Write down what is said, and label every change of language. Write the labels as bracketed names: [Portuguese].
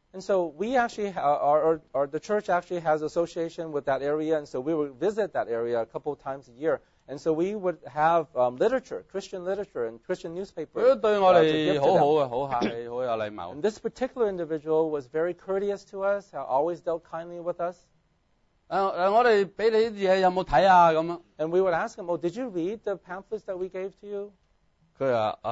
[English] And so we actually, the church actually has association with that area, and so we would visit that area a couple times a year. And so we would have Christian literature and Christian newspapers. [Cantonese] 都對我哋好好嘅，好客氣，好有禮貌。 [English] And this particular individual was very courteous to us, always dealt kindly with us. [Cantonese] 我哋俾你啲嘢有冇睇啊？咁樣。 [English] And we would ask him, did you read the pamphlets that we gave to you?